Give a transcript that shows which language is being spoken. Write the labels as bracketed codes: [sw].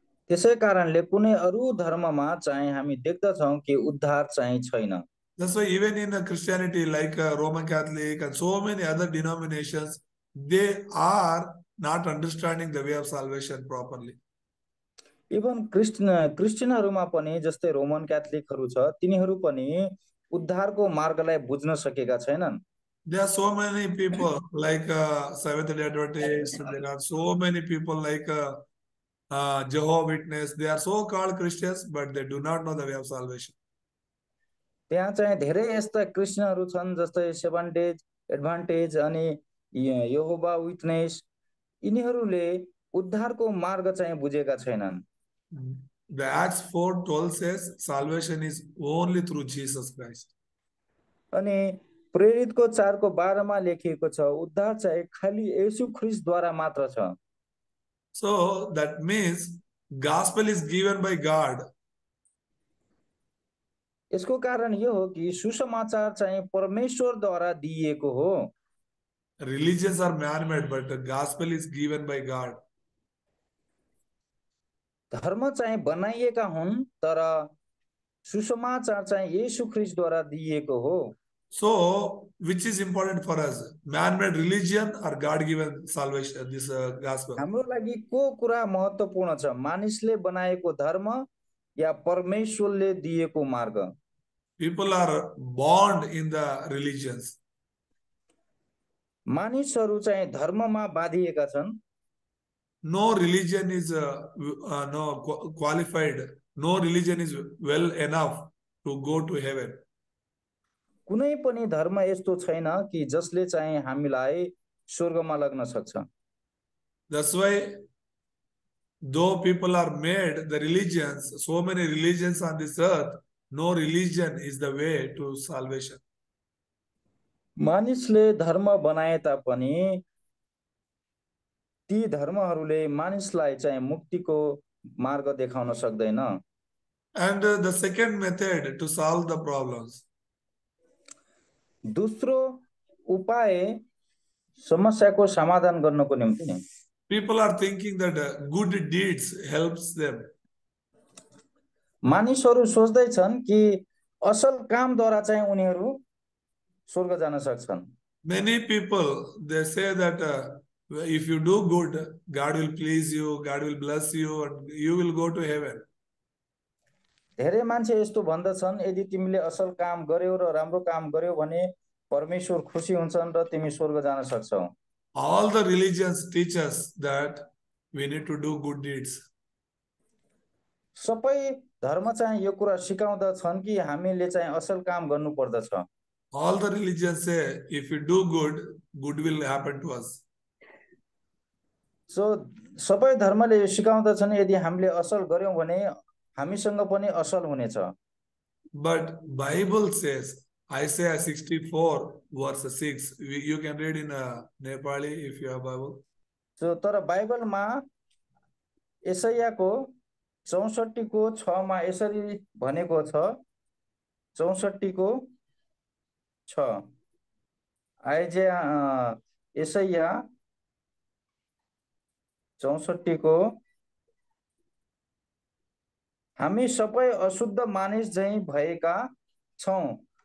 [ne] त्यसै कारणले कुनै अरू धर्ममा चाहिँ हामी देख्दछौ कि उद्धार चाहिँ छैन. [en] So even in Christianity like Roman Catholic and so many other denominations, they are not understanding the way of salvation properly. [ne] Even Christianहरुमा पनि जस्तै Roman Catholicहरु छ तिनीहरु पनि उद्धारको मार्गलाई बुझ्न सकेका छैनन्. [en] There are so many people like Seventh Day Adventists, there are so many people like Jehovah's Witness, they are so called Christians but they do not know the way of salvation. [ne] त्यहाँ चाहिँ धेरै यस्ता क्रिश्चियनहरू छन् जस्तै seven days advantage अनि यहोवा witness यिनीहरूले उद्धारको मार्ग चाहिँ बुझेका छैनन्. [en] The Acts 4:12 says salvation is only through Jesus Christ. [ne] अनि प्रेरितको 4 को 12 मा लेखिएको छ उद्धार चाहिँ खाली येशू ख्रीष्टद्वारा मात्र छ. [en] So that means gospel is given by God. [ne] यसको कारण यो हो कि सुसमाचार चाहिँ परमेश्वरद्वारा दिइएको हो. [en] Religions are man-made, but the gospel is given by God. [ne] धर्म चाहिँ बनाइएका हुन् तर सुसमाचार चाहिँ येशू ख्रीष्टद्वारा दिइएको हो. [en] So, which is important for us? Man-made religion or God-given salvation, this gospel? [ne] हाम्रो लागि को कुरा महत्त्वपूर्ण छ, मानिसले बनाएको धर्म या परमेश्वरले दिएको मार्ग? [en] People are bound in the religions. [ne] मानिसहरु चाहिँ धर्ममा बाँधिएका छन्. [en] No religion is no qualified. No religion is well enough to go to heaven. [ne] कुनै पनि धर्म यस्तो छैन कि जसले चाहिँ हामीलाई स्वर्गमा लग्न सक्छ. [en] That's why though people are made the religions, so many religions on this earth, no religion is the way to salvation. [ne] मानिसले धर्म बनाए तापनि ती धर्महरूले मानिसलाई चाहिँ मुक्तिको मार्ग देखाउन सक्दैन. [en] And the second method to solve the problems. [ne] दोस्रो उपाय समस्याको समाधान गर्नको निम्ति [en] people are thinking that good deeds helps them. [ne] मानिसहरू सोच्दै छन् कि असल कामद्वारा चाहिँ उनीहरू स्वर्ग जान सक्छन्. [en] Many people they say that if you do good God will please you, God will bless you and you will go to heaven. [ne] धेरै मान्छे यस्तो भन्दछन् यदि तिमीले असल काम गर्यौ र राम्रो काम गर्यौ भने परमेश्वर खुसी हुन्छन् र तिमी स्वर्ग जान सक्छौ. [en] All the religions teach us that we need to do good deeds. [ne] सबै धर्म चाहिँ यो कुरा सिकाउँदछन् कि हामीले चाहिँ असल काम गर्नु पर्दछ. [en] All the religions say if you do good, good will happen to us. [ne] So सबै धर्मले यो सिकाउँदछन् यदि हामीले असल गर्यौ भने हामीसँग पनि असल हुनेछ. [en] But Bible says Isaiah 64 verse 6. You can read in Nepali if you have Bible. [ne] So tara Bible ma Isaiah ko 64 ko 6 ma esari bhaneko cha 64 ko 6 Isaiah 64 ko हामी सबै अशुद्ध मानिस झैं भएका छौं